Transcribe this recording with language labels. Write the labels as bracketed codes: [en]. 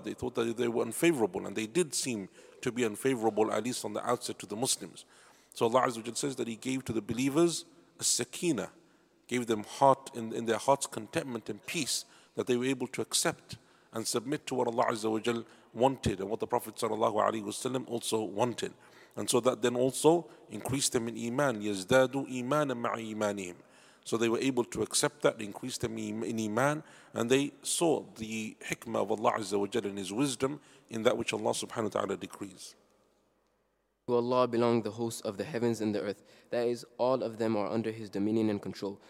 [en] They thought that they were unfavorable, and they did seem to be unfavorable, at least on the outset, to the Muslims. So Allah Azza wa Jalla says that He gave to the believers a sakina, gave them heart in their hearts contentment and peace that they were able to accept and submit to what Allah Azza wa Jal wanted and what the Prophet Sallallahu Alaihi Wasallam also wanted. And so that then also increased them in iman. [ar] يَزْدَادُ إِيمَانًا مَعَ إِيمَانِهِمْ. [en] So they were able to accept that, increase them in iman, and they saw the hikmah of Allah Azza wa Jal and His wisdom in that which Allah Subhanahu wa Ta'ala decrees. To Allah belong the hosts of the heavens and the earth. That is, all of them are under His dominion and control.